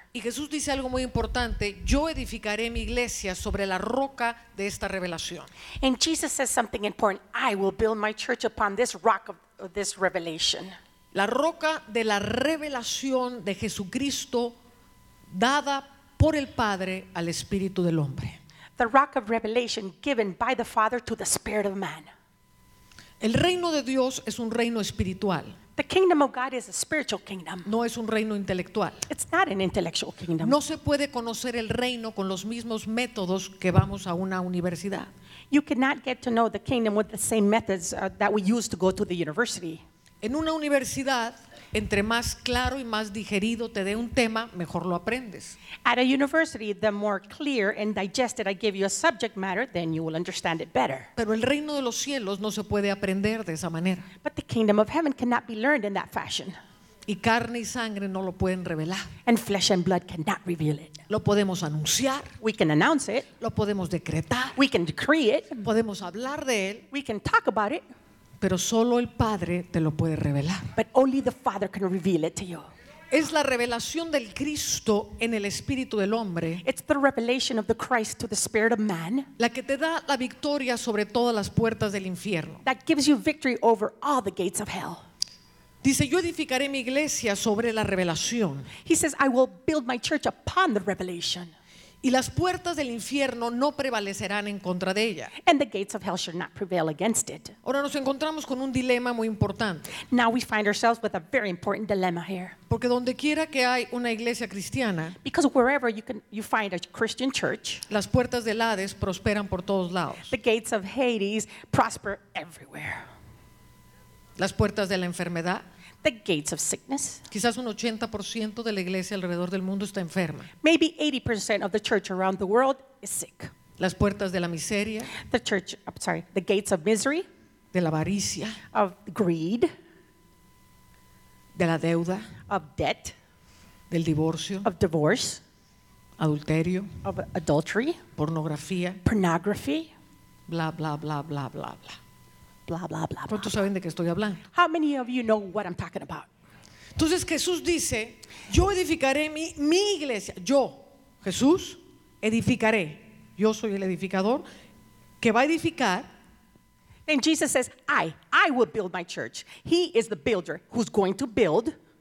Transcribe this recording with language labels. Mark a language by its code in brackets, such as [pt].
[es] Y Jesús dice algo muy importante, yo edificaré mi iglesia sobre la roca de esta revelación. [en] And Jesus says something important, I will build my church upon this rock of this revelation. [es] La roca de la revelación de Jesucristo dada por el Padre al Espíritu del Hombre. [en] The rock of revelation given by the Father to the Spirit of Man. [es] El reino de Dios es un reino espiritual. [en] The kingdom of God is a spiritual kingdom. [es] No es un reino intelectual. [en] It's not an intellectual kingdom. [es] No se puede conocer el reino con los mismos métodos que vamos a una universidad. [en] You cannot get to know the kingdom with the same methods that we use to go to the university. [es] En una universidad, entre más claro y más digerido te dé un tema, mejor lo aprendes. [en] At a university, the more clear and digested I give you a subject matter, then you will understand it better. [es] Pero el reino de los cielos no se puede aprender de esa manera. [en] But the kingdom of heaven cannot be learned in that fashion. [es] Y carne y sangre no lo pueden revelar. [en] And flesh and blood cannot reveal it. [es] Lo podemos anunciar. [en] We can announce it. [es] Lo podemos decretar. [en] We can decree it. [es] Podemos hablar de él. [en] We can talk about it. [es] Pero solo el Padre te lo puede revelar. [en] But only the Father can reveal it to you. [es] Es la revelación del Cristo en el espíritu del hombre. [en] It's the revelation of the Christ to the spirit of man. [es] La que te da la victoria sobre todas las puertas del infierno. [en] That gives you victory over all the gates of hell. [es] Dice, yo edificaré mi iglesia sobre la revelación. [en] He says, I will build my church upon the revelation. [es] Y las puertas del infierno no prevalecerán en contra de ella. [en] And the gates of hell shall not prevail against it. [es] Ahora nos encontramos con un dilema muy importante. [en] Now we find ourselves with a very important dilemma here. [es] Porque donde quiera que hay una iglesia cristiana, [en] because wherever you find a Christian church, [es] las puertas del Hades prosperan por todos lados. [en] The gates of Hades prosper everywhere. [es] Las puertas de la enfermedad. [en] The gates of sickness. [es] Quizás un 80% de la iglesia alrededor del mundo está enferma. [en] Maybe 80% of the church around the world is sick. [es] Las puertas de la miseria. [en] The gates of misery. [es] De la avaricia. [en] Of greed. [es] De la deuda. [en] Of debt. [es] Del divorcio. [en] Of divorce. [es] Adulterio. [en] Of adultery. [es] Pornografía. [en] Pornography. Bla bla bla bla bla bla. Blah, blah, blah, [es] ¿cuántos saben de qué estoy hablando? [en] How many of you know what I'm talking about? [es] Entonces Jesús dice, yo edificaré mi iglesia. Yo, Jesús, edificaré. Yo soy el edificador que va a edificar. [en] And Jesus says, I will build my church. He is the builder who's going to build